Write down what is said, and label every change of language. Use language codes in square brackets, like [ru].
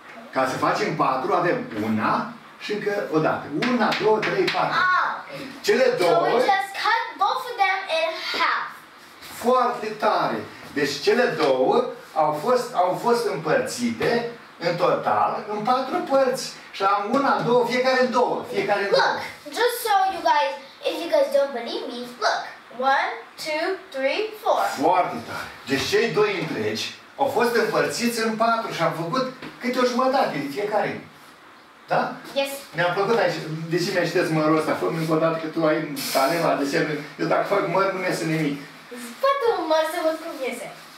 [ro] Ca să facem patru, avem una și încă o dată. Una, două, trei, patru. Ah. Cele două. [en] So we just cut both of them in half. [ro] Foarte tare. Deci cele două au fost împărțite în total în patru părți și am una, două, fiecare două. [en] Look, just so you guys, if you guys don't believe me, look. 1, 2, 3, 4. [ro] Foarte tare. Deci cei doi întregi au fost împărțiți în patru și am făcut câte o jumătate de fiecare. Da? [en] Yes. [ro] Mi-a plăcut aici. De ce mi-ai citit mărul ăsta? Fă-mi încă o dată că tu ai talent la desene. Eu dacă fac măr, nu-mi iese nimic. Fă-te un măr să văd cum iese.